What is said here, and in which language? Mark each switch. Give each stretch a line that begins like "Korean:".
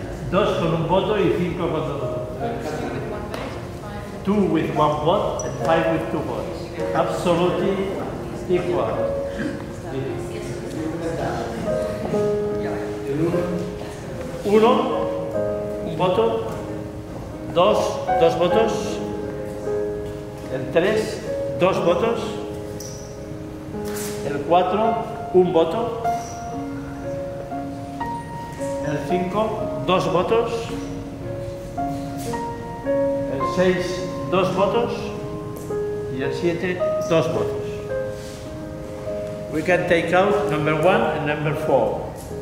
Spanish: Dos con un voto y cinco con otro.
English: Two with one vote and five with two votes. Absolutely equal.
Spanish: Uno, un voto, dos, dos votos, el tres, dos votos, el cuatro, un voto, el cinco, dos votos, el seis, dos votos y el siete, dos votos.
English: We can take out number one and number four.